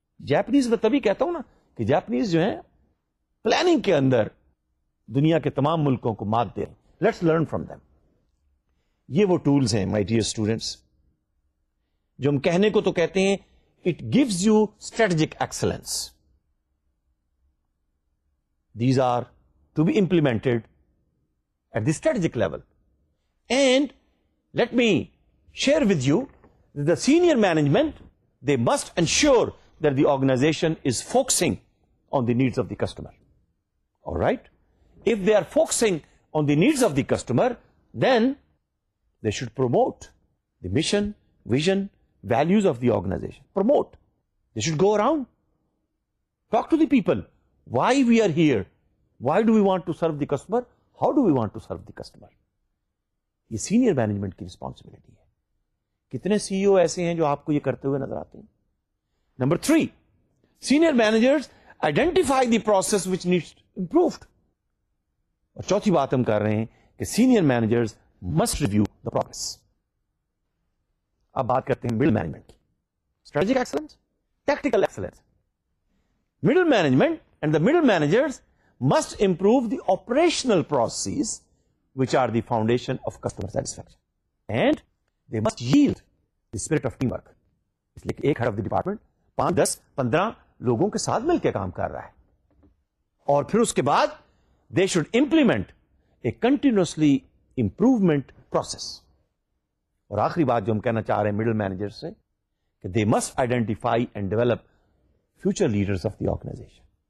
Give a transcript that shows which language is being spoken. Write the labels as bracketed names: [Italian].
[Urdu] Japanese میں تبھی کہتا ہوں نا کہ Japanese جو ہیں planning کے اندر دنیا کے تمام ملکوں کو مات دے رہے ہیں. [English] Let's learn from them. [Urdu] یہ وہ tools ہیں my dear students جو ہم کہنے کو تو کہتے ہیں [English] it gives you strategic excellence. These are to be implemented at the strategic level. And let me share with you that the senior management, they must ensure that the organization is focusing on the needs of the customer. All right? If they are focusing on the needs of the customer, then they should promote the mission, vision, values of the organization. Promote. They should go around. Talk to the people. Why we are here? Why do we want to serve the customer? How do we want to serve the customer? [Urdu] یہ senior management کی responsibility ہے. کتنے سی ای او ایسے ہیں جو آپ کو یہ کرتے ہوئے نظر آتے ہیں؟ Number three, [English] Senior managers identify the process which needs improved. [Urdu] اور چوتھی بات ہم کر رہے ہیں کہ [English] Senior managers must review the progress. [Urdu] اب بات کرتے ہیں مڈل مینجمنٹ کی. Strategic excellence, tactical excellence. [English] Middle management and the middle managers must improve the operational process which are the foundation of customer satisfaction. And they must yield the spirit of teamwork. It's like [Urdu] ایک [English] head of the department [Urdu] 5-10-15 لوگوں کے ساتھ مل کے کام کر رہا ہے. اور پھر اس کے بعد [English] they should implement a continuously improvement process. [Urdu] اور آخری بات جو ہم کہنا چاہ رہے ہیں middle managers سے کہ [English] they must identify and develop future leaders of the organization.